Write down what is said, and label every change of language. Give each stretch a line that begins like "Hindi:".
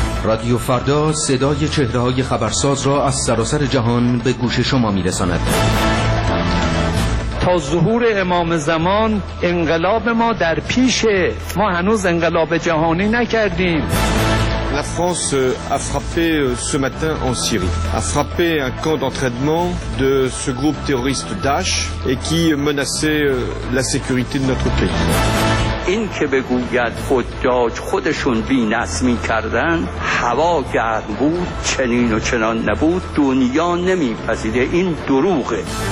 Persian: رادیو فردا صدای چهره‌های خبرساز را از سراسر جهان به گوش شما می‌رساند. تا ظهور امام زمان انقلاب ما در پیشه. ما هنوز انقلاب جهانی نکردیم.
French: La France a frappé ce matin en Syrie, a frappé un camp d'entraînement de ce groupe terroriste Daesh et qui menaçait la sécurité de notre pays.
Persian: این که بگوید حجاج خودشون بی نظمی کردن، هوا گرم بود، چنین و چنان نبود، دنیا نمی پذیره، این دروغه.